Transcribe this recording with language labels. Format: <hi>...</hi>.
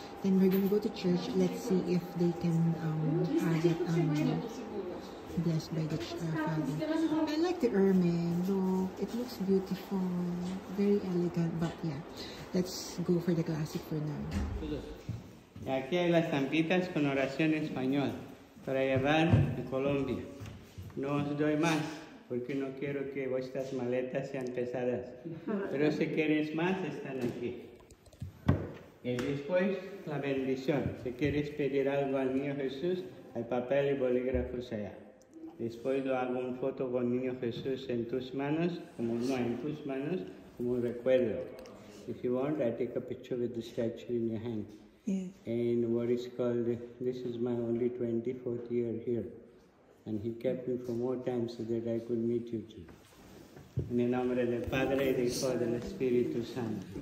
<en>Then we're gonna go to church. Let's see if they can have it blessed by the Father. I like the ermine. Look, it looks beautiful. Very elegant. But yeah, let's go for the classic for now.</en> <es>Y aquí hay las tampitas con oración en español para llevar a Colombia. No os doy más porque no quiero que vuestras maletas sean pesadas. Pero si queréis más, están aquí. Y después, la bendición. Si quieres pedir algo al niño Jesús, hay papel y bolígrafos allá. Después lo hago una foto con niño Jesús en tus manos, como no en tus manos, como un recuerdo.</es> <en>If you want, I take a picture with the statue in your hand. Yeah. And what is called, this is my only 24th year here. And he kept me for more time so that I could meet you too. In the name of the Padre, the Hijo, and the Espíritu Santo.</en>